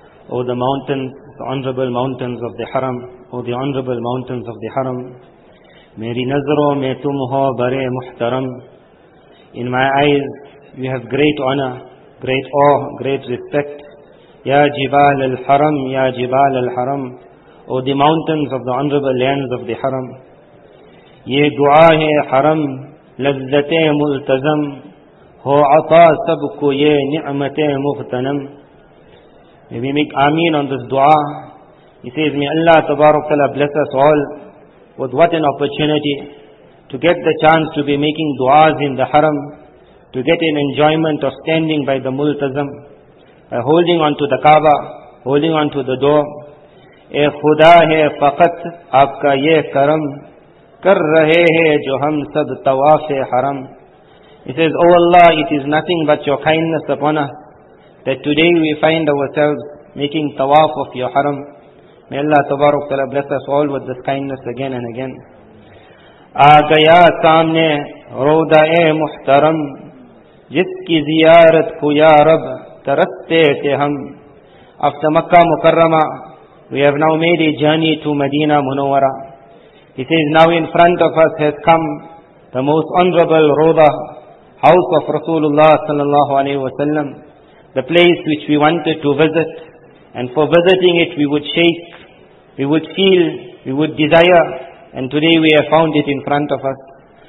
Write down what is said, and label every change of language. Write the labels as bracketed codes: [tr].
[en] O the mountain The honorable mountains of the Haram, O the honorable mountains of the Haram. [ur] میری نظروں میں تم ہو برے محترم. [en] In my eyes, you have great honor, great awe, great respect. [ar] یا جبال الحرم یا جبال الحرم. [en] O the mountains of the honorable lands of the Haram. [ur] یہ دعا ہے حرم لذت ملتزم ہو عطا سب کو یہ نعمت مغتنم. [en] May we make Ameen on this dua. He says, may Allah Tabarak Ta'ala bless us all with what an opportunity to to get the chance to be making du'as in the haram, to get an enjoyment of standing by the multazam, by holding on to the Kaaba, holding on to the door. [ur] اے خدا ہے فقط آپ کا یہ کرم کر رہے ہیں جو ہم سب طواف حرم. [en] He says, O Allah, it is nothing but your kindness upon us that today we find ourselves making tawaf of your haram. May Allah tabarak ta'ala bless us all with this kindness again and again. [ur] آ گیا سامنے روضہ اے محترم جس کی زیارت کو یا رب ترستے تھے ہم. [en] After Makkah Mukarrama, we have now made a journey to Medina Munawwara. He says, now in front of us has come the most honorable Rawdah, house of Rasulullah sallallahu alayhi wa sallam, the place which we wanted to visit, and for visiting it we would shake, we would feel, we would desire, and today we have found it in front of us.